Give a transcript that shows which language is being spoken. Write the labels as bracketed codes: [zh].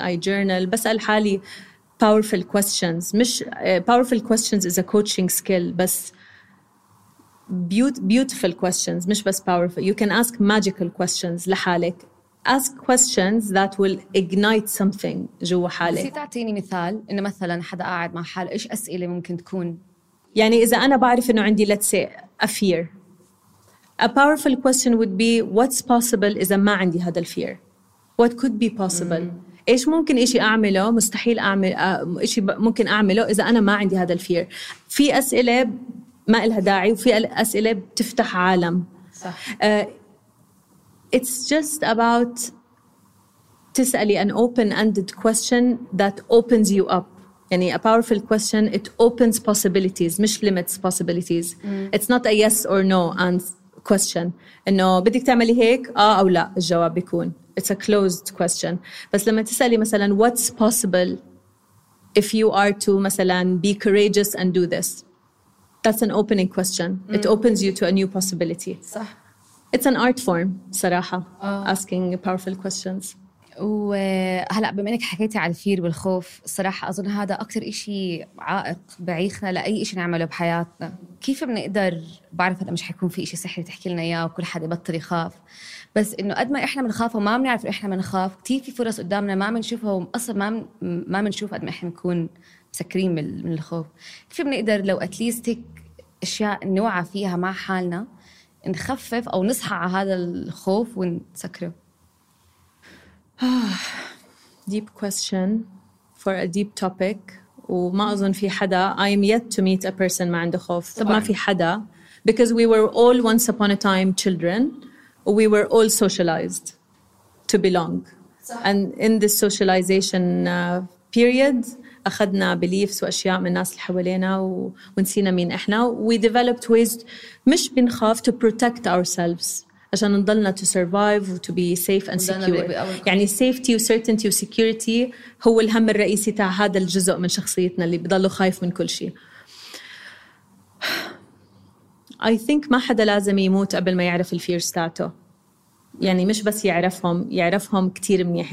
[en] I journal [ar] بسأل حالي [en] powerful questions. [ar] مش [en] powerful questions is a coaching skill بس beautiful questions [ar] مش بس [en] powerful. You can ask magical questions [ar] لحالك. [en] Ask questions that will ignite something [ar] جوا حالك. بس تعطيني مثال إنه مثلا حدا قاعد مع حال إيش أسئلة ممكن تكون؟ يعني إذا أنا بعرف إنه عندي [en] let's say a fear, a powerful question would be what's possible [ar] إذا ما عندي هذا الفير. [en] What could be possible? [ar] إيش ممكن إشي أعمله مستحيل أعمل إشي ممكن أعمله إذا أنا ما عندي هذا الفير. في أسئلة ما إلها داعي وفي أسئلة بتفتح عالم. صح. [en] It's just about [ar] تسألي [en] an open-ended question that opens you up. [ar] يعني [en] a powerful question it opens possibilities [ar] مش [en] limits possibilities. It's not a yes or no question. [ar] إنه بدك تعملي هيك آه أو لا الجواب بيكون. [en] It's a closed question. [ar] بس لما تسألي مثلا [en] what's possible if you are to [ar] مثلا [en] be courageous and do this, that's an opening question. It opens you to a new possibility. [ar] صح. [en] It's an art form [ar] صراحة. [en] Asking powerful questions. [ar] وهلأ بما أنك حكيتي على الفير والخوف صراحة أظن هذا أكتر إشي عائق بعيخنا لأي إشي نعمله بحياتنا. كيف بنقدر بعرف هذا مش حيكون في إشي سحري تحكي لنا إياه وكل حد يبطل يخاف بس إنه قد ما إحنا منخاف وما منعرف إحنا منخاف كتير في فرص قدامنا ما منشوفها وأصلا ما منشوف قد ما إحنا نكون مسكرين من الخوف. كيف بنقدر لو أتليستك أشياء نوعى فيها مع حالنا نخفف أو نصحى على هذا الخوف ونسكره؟ [en] Deep question for a deep topic. [ar] وما أظن في حدا. [en] I'm yet to meet a person [ar] ما عنده خوف. طبعا. ما في حدا. [en] Because we were all once upon a time children. We were all socialized to belong. [ar] صح. [en] And in this socialization period, [ar] أخذنا beliefs وأشياء من الناس اللي حوالينا ونسينا مين إحنا. [en] We developed ways [ar] مش بنخاف [en] to protect ourselves. [ar] عشان نضلنا [en] to survive and to be safe and secure. [ar] يعني safety و certainty و security هو الهم الرئيسي تاع هذا الجزء من شخصيتنا اللي بضله خايف من كل شيء. [en] I think [ar] ما حدا لازم يموت قبل ما يعرف الفيرز تاعته. يعني مش بس يعرفهم, يعرفهم كتير منيح.